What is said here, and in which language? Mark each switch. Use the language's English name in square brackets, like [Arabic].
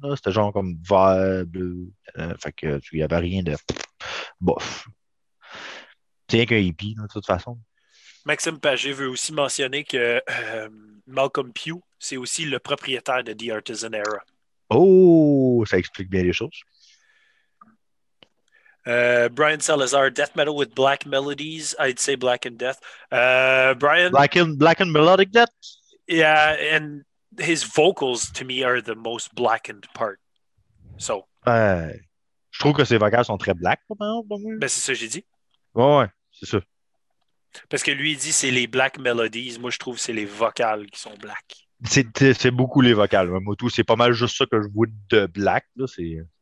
[French] C'était genre comme vert, bleu. Fait que il n'y avait rien de bof. C'est qu'un hippie, de toute façon. Maxime Paget veut aussi mentionner que Malcolm Pugh, c'est aussi le propriétaire de The Artisan Era. Oh, ça explique bien les choses. [English] Brian Salazar, Death Metal with Black Melodies, I'd say Black and Death. Brian, Black and melodic death. yeah, and his vocals to me are the most blackened part. So, [French] Je trouve que ses vocales sont très black, quand même. ben c'est ça que j'ai dit. Ouais, c'est ça. Parce que lui, il dit c'est les black melodies. Moi, je trouve c'est les vocales qui sont black. C'est beaucoup les vocales, même tout. C'est pas mal juste ça que je vois de black, là, c'est.